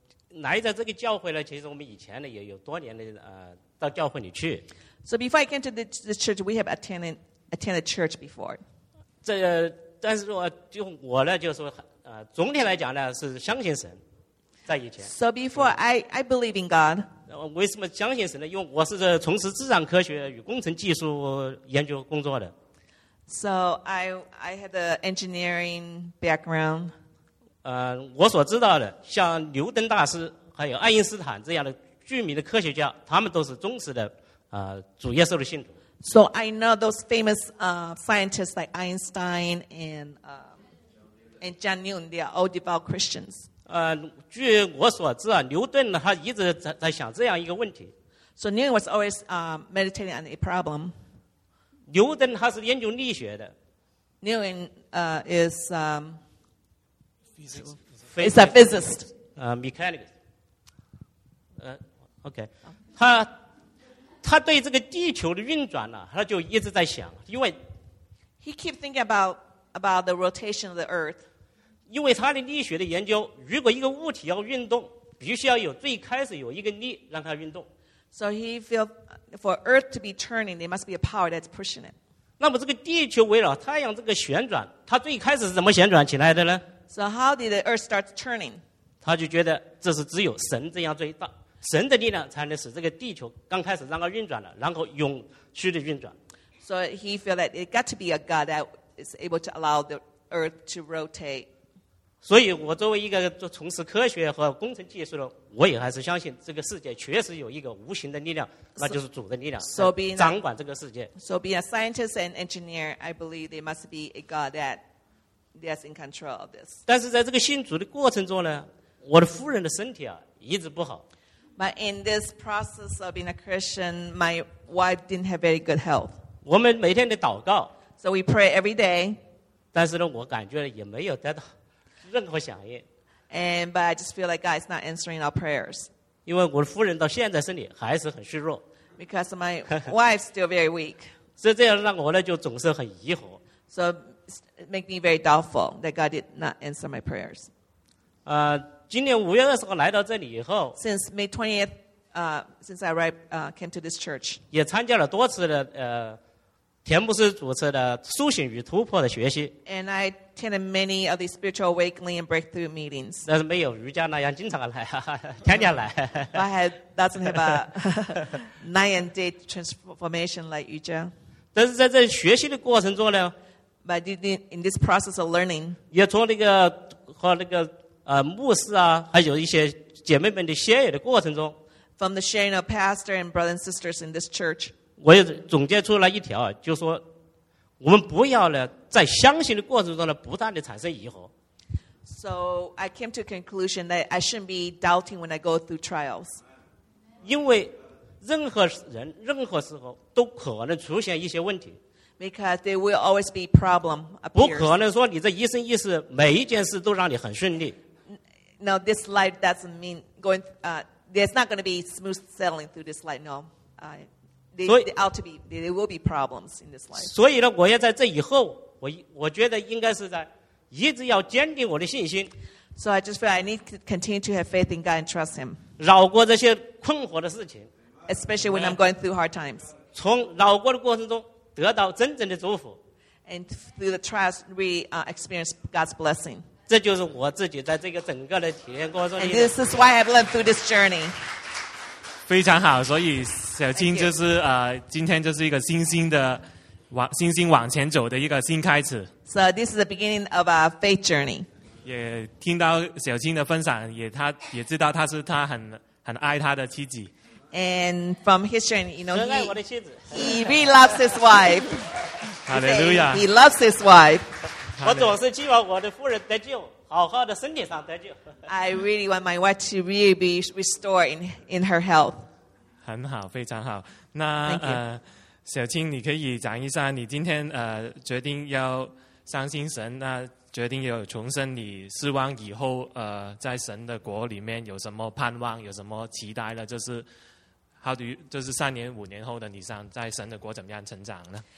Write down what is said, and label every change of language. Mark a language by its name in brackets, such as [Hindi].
[Chinese] 来到这个教会呢，其实我们以前呢也有多年的到教会里去。 [English] So before I came to the church, we have attended church before. [Chinese] 这个，但是说就我呢，就是说。总体来讲呢是相信神在以前 [English] So before I believe in God [Chinese] 为什么相信神呢因为我是从事自然科学与工程技术研究工作的 [English] So I had an engineering background [Chinese] 我所知道的像牛顿大师还有爱因斯坦这样的著名的科学家他们都是忠实的主耶稣的信徒 [English] So I know those famous scientists like Einstein and John Newton, they are all devout Christians. [Chinese] 据我所知啊，牛顿呢，他一直在想这样一个问题。 [English] So Newton was always meditating on a problem. [Chinese] 牛顿他是研究力学的。 [English] Newton is a physicist. Mechanics. Okay. [Chinese] 他对这个地球的运转呢、啊，他就一直在想，因为 [English] he keep thinking about the rotation of the Earth. [Chinese] 因为他的力学的研究，如果一个物体要运动，必须要有最开始有一个力让它运动。 [English] So he feel for Earth to be turning, there must be a power that's pushing it. [Chinese] 那么这个地球围绕太阳这个旋转，它最开始是怎么旋转起来的呢 [English] ？So how did the Earth start turning? [Chinese] 他就觉得这是只有神这样最大，神的力量才能使这个地球刚开始让它运转了，然后永续的运转。 [English] So he feel that it got to be a God that is able to allow the Earth to rotate. [Chinese] 所以我作为一个从事科学和工程技术的我也还是相信这个世界确实有一个无形的力量那就是主的力量掌管这个世界 [English] So being a scientist and engineer I believe there must be a God that is in control of this [Chinese] 但是在这个信主的过程中呢我的夫人的身体啊一直不好 [English] But in this process of being a Christian my wife didn't have very good health [Chinese] 我们每天的祷告 [English] So we pray every day [Chinese] 但是呢我感觉也没有得到任何响应 [English] and but I just feel like God is not answering our prayers. [Chinese] 因为我的夫人到现在身体还是很虚弱 [English] because my wife is still very weak. [Chinese] 所以这样让我呢就总是很疑惑 [English] so it makes me very doubtful that God did not answer my prayers. [Chinese] 今年五月二十号来到这里以后 [English] since May 20th, since I arrived, came to this church, [Chinese] 也参加了多次的田牧师主持的苏醒与突破的学习 [English] and I attended many of the spiritual awakening and breakthrough meetings [Chinese] 但是没有瑜伽那样经常来天天来 [English] but I doesn't have a night and day transformation like 瑜伽 [Chinese] 但是在这学习的过程中呢 [English] but in this process of learning [Chinese] 也从那个和那个牧师啊还有一些姐妹们的学习的过程中 [English] from the sharing of pastor and brothers and sisters in this church [Chinese] 我也总结出了一条就是说我们不要呢在相信的过程中呢不断的产生疑惑 [English] So I came to a conclusion that I shouldn't be doubting when I go through trials. [Chinese] 因为任何人任何时候都可能出现一些问题。 [English] Because there will always be problem appears. [Chinese] 不可能说你这一生一世每一件事都让你很顺利。 [English] No, this life doesn't mean going. There's not going to be smooth sailing through this life. No, there will be problems in this life. [Chinese] 所以呢，我要在这以后，我觉得应该是在一直要坚定我的信心。 [English] So I just feel I need to continue to have faith in God and trust Him. [Chinese] 绕过这些困惑的事情 [English] ，especially when I'm going through hard times. [Chinese] 从绕过的过程中得到真正的祝福 [English] ，and through the trials we experience God's blessing. [Chinese] 这就是我自己在这个整个的体验过程。 [English] And this is why I've lived through this journey. [Chinese] 非常好，所以小青就是今天就是一个星星往前走的一个新开始。 [English] So this is the beginning of a faith journey. [Chinese] 也听到小青的分享，也知道他很爱他的妻子。 [English] And from his journey, you know, he really loves his wife. Hallelujah. He loves his wife. [Chinese] 我总是希望我的夫人得救，好好的身体上得救。 [English] I really want my wife to really be restored in her health. [Chinese] 很好，非常好。那小青，你可以讲一下你今天决定要相信神，那决定要重生，你希望以后在神的国里面有什么盼望，有什么期待呢？就是三年五年后的你想在神的国怎么样成长呢